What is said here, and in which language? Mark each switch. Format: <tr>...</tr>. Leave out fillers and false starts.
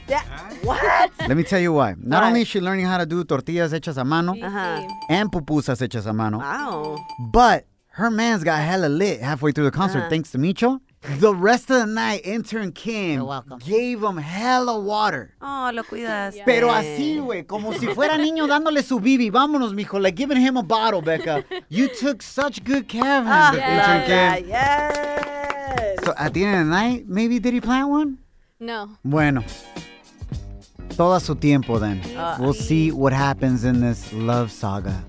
<en>Yeah. What? Let me tell you why. Not only is she learning how to do</en> <es>tortillas hechas a mano</es> <en>and</en> <es>pupusas hechas a mano,</es> <en>wow. But her man's got hella lit halfway through the concert thanks to Micho. The rest of the night, Intern Kim gave him hella water.</en> <es>Oh, lo cuidas.</es> <en>Yeah.</en> <es>Pero así, güey, como si fuera niño dándole su bibi. Vámonos, mijo,</es> <en>like giving him a bottle, Becca. You took such good care of him, Intern Kim. Yes. So at the end of the night, maybe did he plant one? No.</en> <es>Bueno. Todo a su tiempo, then.</es> <en>We'll see what happens in this love saga.</en>